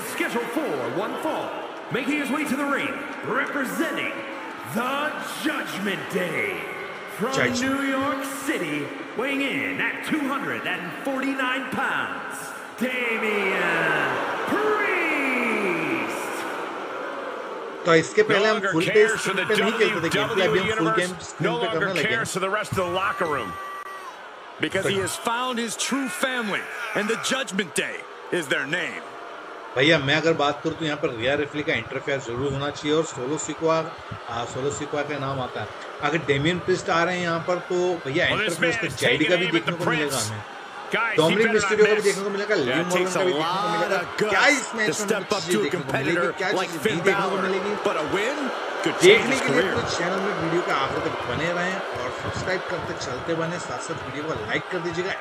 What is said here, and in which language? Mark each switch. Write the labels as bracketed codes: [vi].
[en] It's schedule for one fall, making his way to the ring, representing the judgement day from New York city, weighing in at 249 pounds, Damian Priest. [hi] तो इसके पहले हम full pace पे नहीं खेलते थे game, अभी हम फुल गेम स्क्रीन पे करने लगे हैं। [en] Because he has found his true family, and the Judgment Day is their name. [hi] भैया मैं अगर बात करूं तो यहाँ पर रिया रिफ्ली का इंटरफेयर जरूर होना चाहिए, और सोलो सिक्वा का नाम आता है। अगर डेमियन प्रिस्ट आ रहे हैं यहाँ पर तो भैया इंटरफेयर तो जेडी का भी देखने को मिलेगा हमें, डोमिनिक मिस्टीरियो का भी देखने को मिलेगा, लियाम मॉर्गन का भी देखने को मिलेगा। क्या इस मैच में कुछ देखने को मिलेगी, क्या चीज देखने को मिलेगी, देखने के लिए पूरे चैनल में वीडियो के आखिर तक बने रहें और सब्सक्राइब करते चलते बने, साथ साथ वीडियो को लाइक कर दीजिएगा।